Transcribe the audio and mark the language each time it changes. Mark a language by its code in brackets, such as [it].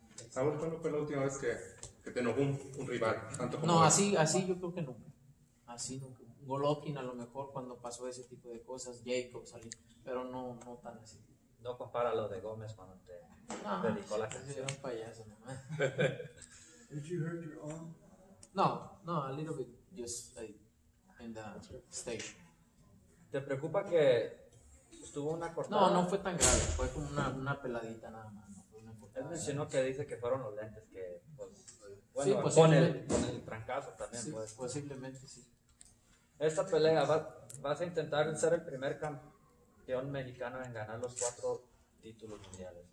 [es] Saúl, ¿cuándo fue la última vez que te enojó un rival? Tanto como no, él. así yo creo que nunca. Así nunca. Golovkin a lo mejor cuando pasó ese tipo de cosas, Jacob salió, pero no tan así. No compara lo de Gómez cuando te dedicó la canción. Era un payaso, ¿no? [en] Did you hurt your arm? No, a little bit, just in the stage. [es] ¿Te preocupa que estuvo una cortada? No fue tan grave, fue como una peladita nada más. Él mencionó que dice que fueron los lentes que, pues, bueno, sí, con el trancazo también. Sí, pues. Posiblemente, sí. Esta pelea, ¿vas a intentar ser el primer campeón mexicano en ganar los 4 títulos mundiales?